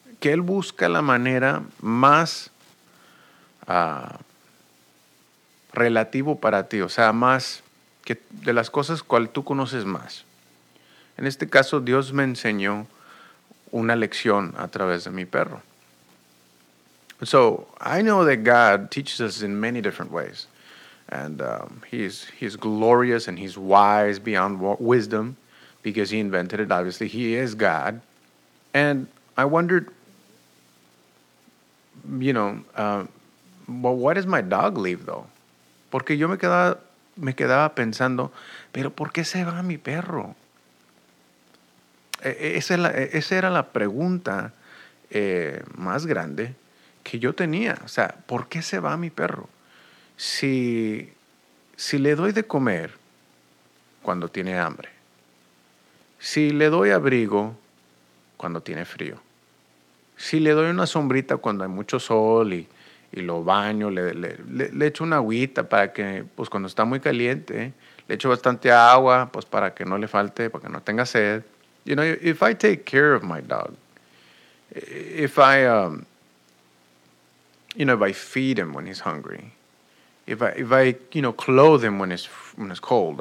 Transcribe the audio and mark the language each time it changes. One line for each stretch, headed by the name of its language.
Spanish: Que Él busca la manera más relativo para ti. O sea, más que de las cosas cual tú conoces más. En este caso, Dios me enseñó una lección a través de mi perro.
English: So, I know that God teaches us in many different ways. And he's glorious and he's wise beyond wisdom because he invented it. Obviously, he is God. And I wondered, you know, well, why does my dog leave, though?
Spanish: Porque yo me quedaba pensando, pero ¿por qué se va mi perro? Esa era la pregunta más grande que yo tenía. O sea, ¿por qué se va mi perro? Si le doy de comer cuando tiene hambre, si le doy abrigo cuando tiene frío, si le doy una sombrita cuando hay mucho sol y lo baño, le echo una agüita para que, pues cuando está muy caliente, le echo bastante agua, pues para que no le falte, para que no tenga sed.
English: You know, if I take care of my dog, if I, you know, if I feed him when he's hungry, if I, you know, clothe him when it's cold.